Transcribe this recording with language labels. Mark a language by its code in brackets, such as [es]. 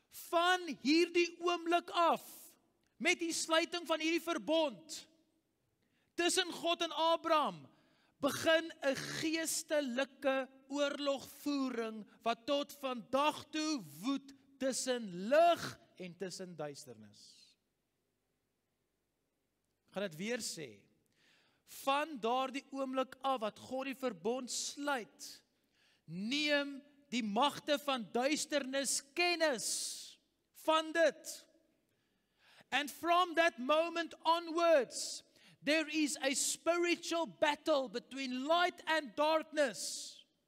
[af] Van hierdie oomblik af, met die sluiting van hierdie verbond, tussen God en Abraham, begin een geestelike oorlogvoering, wat tot vandag toe woed tussen lig en tussen duisternis. Ek gaan het weer sê, van daar die oomblik af, wat God die verbond sluit, neem die magte van duisternis kennis van dit. [en] And from that moment onwards, there is a spiritual battle between light and darkness.